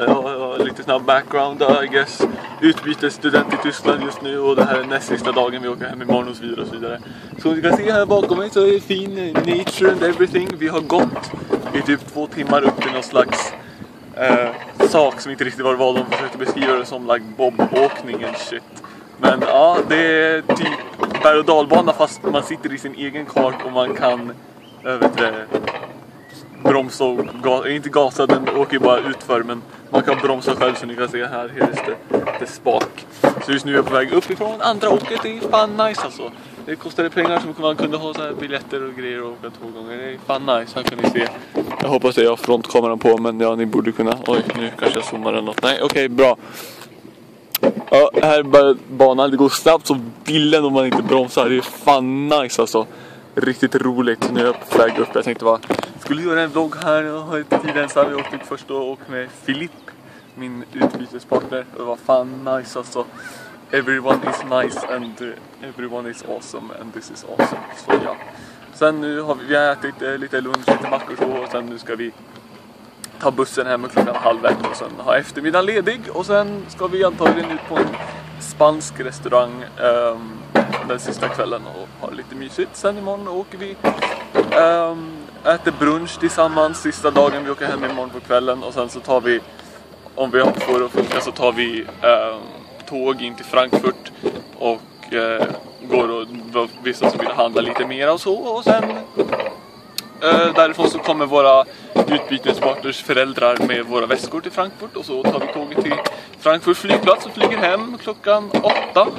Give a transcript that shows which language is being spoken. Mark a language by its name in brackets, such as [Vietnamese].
[Norwegian] Jeg har litt snabb background, [English] I guess. [Norwegian] Utbyter student i Tyskland just nu, og det her er den siste dagen vi åker hjem i morgen, og så videre, og så videre. Så du kan se her bakom meg, så er det fin [English] nature and everything. [Norwegian] Vi har gått i typ 2 timmar upp til noen slags sak som ikke riktig var vald. De forsøkte beskrive det som like bob-åkning [English] and shit. [Swedish] Men ja, det er typ berg- og dalbana, fast man sitter i sin egen kart och man kan, jag vet inte, bromsa och inte gasa, den åker ju bara utför, men man kan bromsa själv, så ni kan se här, just det spak. Så just nu är jag på väg uppifrån, andra åket är fan nice alltså. Det kostade pengar som man kunde ha så här biljetter och grejer och åka 2 gånger, det är fan nice, här kan ni se. Jag hoppas att jag har frontkameran på, men ja, ni borde kunna. Oj, nu kanske jag zoomar eller något. Nej, okej, okay, bra. Ja, här är banan, det går snabbt som billen om man inte bromsar, det är fan nice alltså. Riktigt roligt, nu är jag på väg upp, jag tänkte bara, skulle göra en vlogg här, jag har inte tid ens, jag åkte först och med Filip, min utbytespartner, det var fan nice alltså. [English] Everyone is nice and everyone is awesome and this is awesome, [Swedish] så ja. [English] Sen nu har vi ätit lite lunch, lite mackor så, och sen nu ska vi ta bussen hem och klockan 12:30 och sen ha eftermiddag ledig, och sen ska vi antagligen ut på en spansk restaurang den sista kvällen och ha lite mysigt. Sen imorgon åker vi äter brunch tillsammans sista dagen, vi åker hem imorgon på kvällen, och sen så tar vi, om vi har för att funka, så tar vi tåg in till Frankfurt och går och vissa som vill handla lite mer och så, och sen därifrån så kommer våra utbytespartners föräldrar med våra väskor till Frankfurt, och så tar vi tåget till Frankfurt flygplats och flyger hem klockan 8.